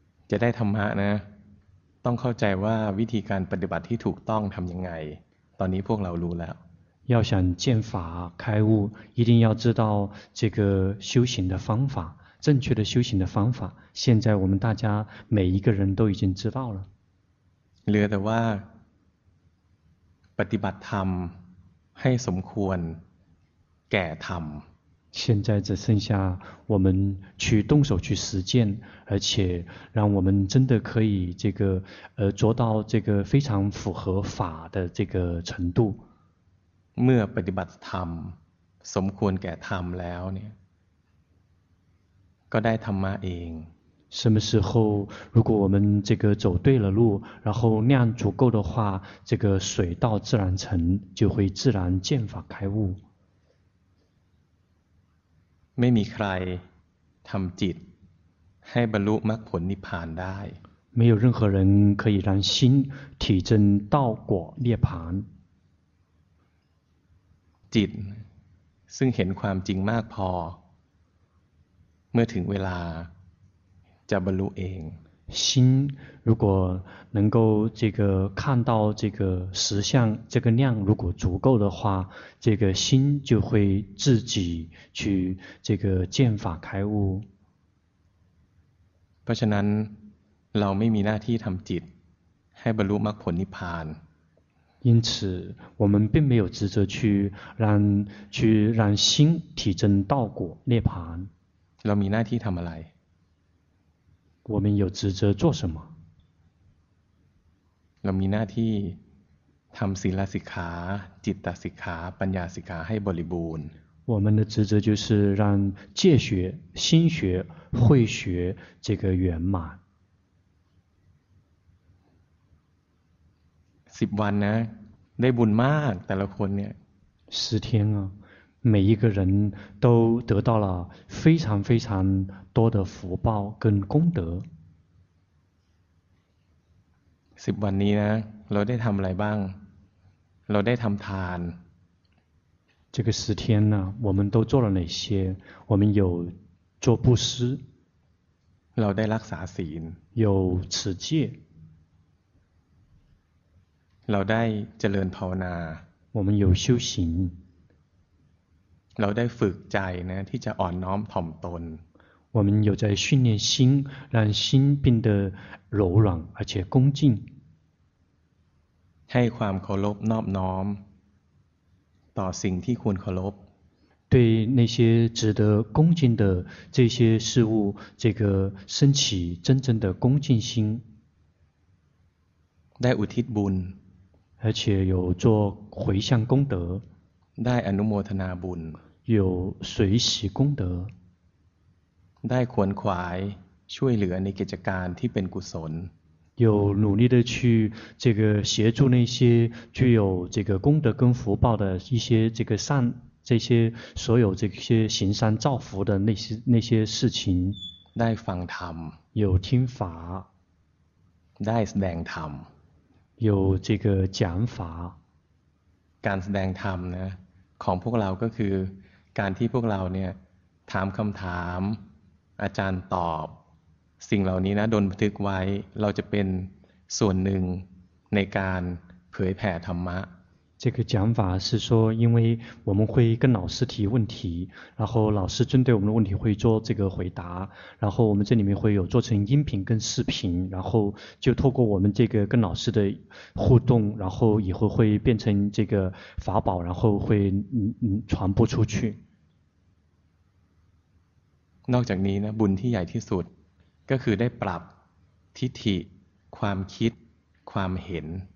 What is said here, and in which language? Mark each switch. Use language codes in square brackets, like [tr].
[th] จะได้ธรรมะนะต้องเข้าใจว่าวิธีการปฏิบัติที่ถูกต้องทำยังไงตอนนี้พวกเรารู้แล้ว [zh] 要想见法开悟一定要知道这个修行的方法正确的修行的方法现在我们大家每一个人都已经知道了 [th] เหลือแต่ว่าปฏิบัติธรรมให้สมควรแก่ธรรม [zh] 现在只剩下我们去动手去实践而且让我们真的可以这个做到这个非常符合法的这个程度 [th] เมื่อปฏิบัติธรรมสมควรแก่ธรรมแล้วเนี่ยก็ได้ธรรมะเอง [zh] 什么时候如果我们这个走对了路然后量足够的话这个水到自然成就会自然见法开悟 [th] ไม่มีใครทำจิต ให้บรรลุมรรคผลนิพพานได้ [zh] 没有任何人可以让心体证道果涅槃 [th] จิตซึ่งเห็นความจริงมากพอเมื่อถึงเวลาจะบรรลุเอง [zh] 心如果能够这个看到这个实相这个量如果足够的话这个心就会自己去这个见法开悟 [th] เพราะฉะนั้นเราไม่มีหน้าที่ทำจิตให้บรรลุมรรคผลนิพพาน [zh] 因此我们并没有职责去让心体证道果涅槃 [th] เรามีหน้าที่ทำอะไร [zh] 我们有职责做什么 [th] เรามีหน้าที่ทำศีลสิกขาจิตตสิกขาปัญญาสิกขาให้บริบูรณ์ [zh] 我们的职责就是让戒学、心学、慧学这个圆满。十天呢，得 [th] บุญมาก，แต่ละคนเนี่ย。 [zh] 十天啊，每一个人都得到了非常非常多的福报跟功德。十天呢， [th] เราได้ทำอะไรบ้าง？ เราได้ทำทาน。 [zh] 这个十天呢，我们都做了哪些？我们有做布施， [th] เราได้รักษาศีล， [zh] 有持戒， [th] เราได้เจริญภาวนา， [zh] 我们有修行， [th] เราได้ฝึกใจนะที่จะอ่อนน้อมถ่อมตน， [zh] 我们有在训练心，让心变得柔软而且恭敬， [th] ให้ความเคารพนอบน้อมต่อสิ่งที่ควรเคารพ [zh] 对那些值得恭敬的这些事物这个升起真正的恭敬心 [th] ได้อุทิศบุญ [zh] 而且有做回向功德 [th] ได้อนุโมทนาบุญ [zh] 有随喜功德 [th] ได้ขวนขวายช่วยเหลือในกิจการที่เป็นกุศล [zh] 有努力的去这个协助那些具有这个功德跟福报的一些这个善这些所有这些行善造福的那些事情 [th] ได้ฟังธรรม [zh] 有听法 [th] ได้แสดงธรรม [zh] 有这个讲法 [th] การแสดงธรรมนะของพวกเราก็คือการที่พวกเราเนี่ยถามคำถามอาจารย์ตอบสิ่งเหล่านี้นะโดนบันทึกไว้เราจะเป็นส่วนหนึ่งในการเผยแผ่ธรรมะ [zh] 这个讲法是说因为我们会跟老师提问题然后老师针对我们的问题会做这个回答然后我们这里面会有做成音频跟视频然后就透过我们这个跟老师的互动然后以后会变成这个法宝然后会传播出去 [th] นอกจากนี้นะบุญที่ใหญ่ที่สุดก็คือได้ปรับทิฏฐิความคิดความเห็น